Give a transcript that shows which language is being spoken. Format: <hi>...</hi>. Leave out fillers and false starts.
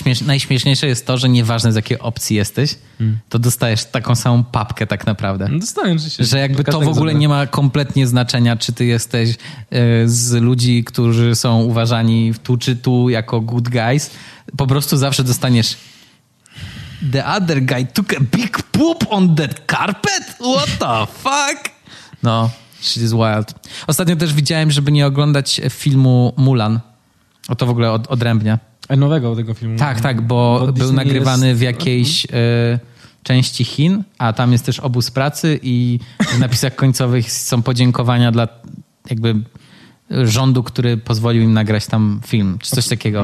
<pl>Najśmieszniejsze jest to, że nieważne z jakiej opcji jesteś, to dostajesz taką samą papkę tak naprawdę. Dostałem, że się... Że jakby to w ogóle nie ma kompletnie znaczenia, czy ty jesteś z ludzi, którzy są uważani tu czy tu jako</pl> <en>good guys.</en> <pl>Po prostu zawsze dostaniesz...</pl> <en>The other guy took a big poop on that carpet? What the fuck? No, shit is wild.</en> <pl>Ostatnio też widziałem, żeby nie oglądać filmu Mulan. O to w ogóle odrębnie. A nowego tego filmu. Tak, bo był Disney nagrywany w jakiejś części Chin, a tam jest też obóz pracy i w napisach końcowych są podziękowania dla jakby rządu, który pozwolił im nagrać tam film, czy coś takiego.</pl>